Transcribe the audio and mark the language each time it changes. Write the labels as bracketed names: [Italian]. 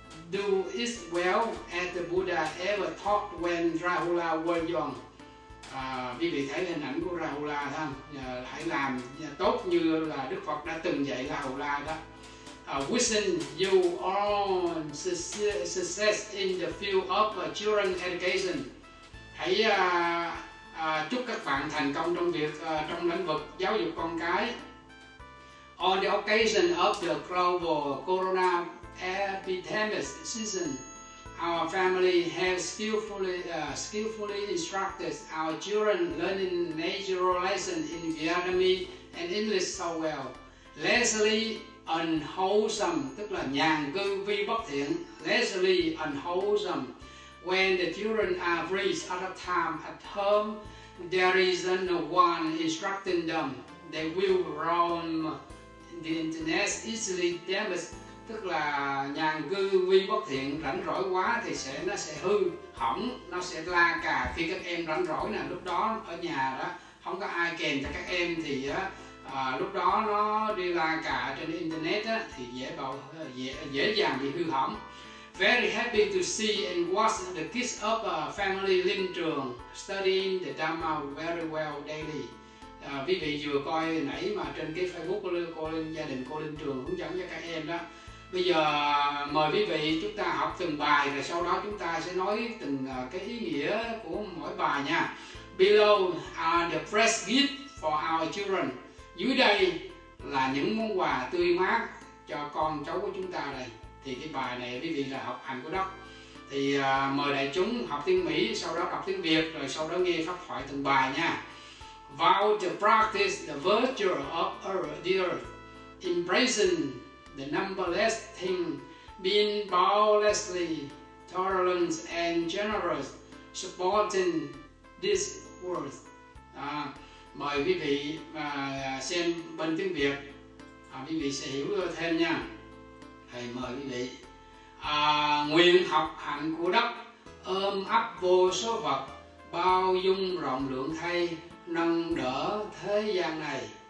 [English] Do it well as the Buddha ever taught when Rahula was young. [Vietnamese] Quý vị thấy hình ảnh của Rahula không? Hãy làm tốt như là Đức Phật đã từng dạy Rahula đó. [English] Wishing you all success in the field of children education. [Vietnamese] Hãy chúc các bạn thành công trong việc trong lĩnh vực giáo dục con cái. [English] On the occasion of the global corona epidemic season, our family has skillfully instructed our children learning major lessons in Vietnamese and English so well. Lastly, unwholesome, [Vietnamese] tức là nhàn cư vi bất thiện. [English] Lastly, unwholesome, when the children are raised at a time at home, there is no one instructing them. They will roam the internet easily damaged. [Vietnamese] Tức là nhàn cư vi bất thiện, rảnh rỗi quá thì nó sẽ hư hỏng, nó sẽ la cà. Khi các em rảnh rỗi nè, lúc đó ở nhà đó không có ai kèm cho các em thì lúc đó nó đi la cà trên internet á, thì dễ dàng bị hư hỏng. [English] Very happy to see and watch the kids of a family Linh Trường studying the Dharma very well daily. [Vietnamese] Quý vị vừa coi nãy mà trên cái Facebook của cô Linh, gia đình cô Linh Trường hướng dẫn cho các em đó. Bây giờ mời quý vị chúng ta học từng bài rồi sau đó chúng ta sẽ nói từng cái ý nghĩa của mỗi bài nha. [English] Below are the fresh gifts for our children. [Vietnamese] Dưới đây là những món quà tươi mát cho con cháu của chúng ta đây. Thì cái bài này quý vị là học hành của Đức. Thì mời đại chúng học tiếng Mỹ, sau đó đọc tiếng Việt, rồi sau đó nghe pháp thoại từng bài nha. [English] Vow to practice the virtue of the earth, embracing the numberless things, being boundlessly tolerant and generous, supporting this world. [Vietnamese] Mời quý vị xem bên tiếng Việt, quý vị sẽ hiểu thêm nha. Thầy mời quý vị. Nguyện học hạnh của đất, ôm ấp vô số vật, bao dung rộng lượng thay, nâng đỡ thế gian này.